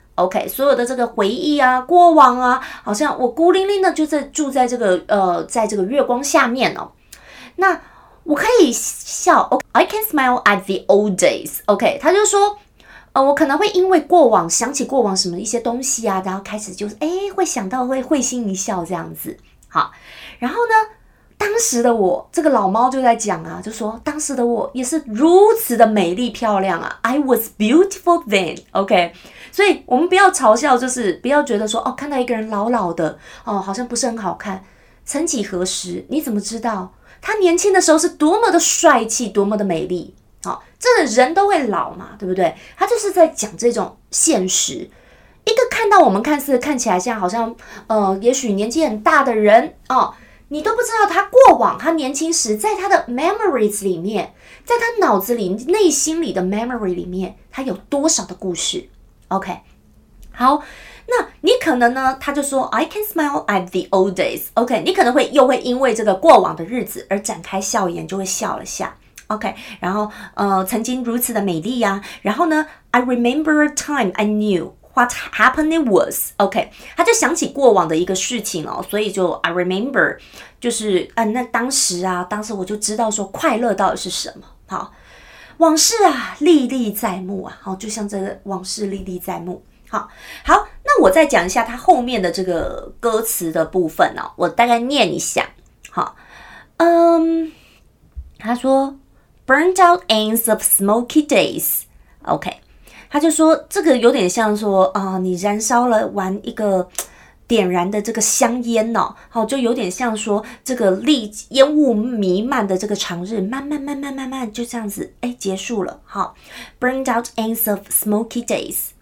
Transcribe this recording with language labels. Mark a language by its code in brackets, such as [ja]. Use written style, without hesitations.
[zh] OK， 所有的这个回忆啊，过往啊，好像我孤零零的就在住在这个在这个月光下面哦。那我可以笑 [en] ，OK，I can smile at the old days. [zh] OK， 他就说，我可能会因为过往想起过往什么一些东西啊，然后开始就是会想到会会心一笑这样子。好，然后呢，当时的我，这个老猫就在讲啊，就说当时的我也是如此的美丽漂亮啊 ， [en] I was beautiful then. [zh] OK， 所以我们不要嘲笑，就是不要觉得说哦，看到一个人老老的哦，好像不是很好看。曾几何时，你怎么知道他年轻的时候是多么的帅气，多么的美丽？好，这人都会老嘛，对不对？他就是在讲这种现实。一个看到我们看起来像好像也许年纪很大的人哦。你都不知道他过往，他年轻时在他的 memories 里面，在他脑子里内心里的 memory 里面，他有多少的故事。 OK， 好，那你可能呢，他就说 [en] I can smile at the old days. [zh] OK， 你可能会又会因为这个过往的日子而展开笑颜，就会笑了下。 OK， 然后曾经如此的美丽啊，然后呢 [en] I remember a time I knewWhat happened was, [zh] OK， 他就想起过往的一个事情哦，所以就 I remember， 就是那当时我就知道说快乐到底是什么。好，往事啊，历历在目啊，好，就像这个往事历历在目。好，那我再讲一下他后面的这个歌词的部分哦，我大概念一下。好，他说 [en] burnt out ends of smoky days. [zh] OK, 他就说这个有点像说、你燃烧了完一个点燃的这个香烟哦，好，就有点像说这个烟雾弥漫的这个长日，慢慢就这样子，哎，结束了。 [en] 好 ，burned out ends of smoky days.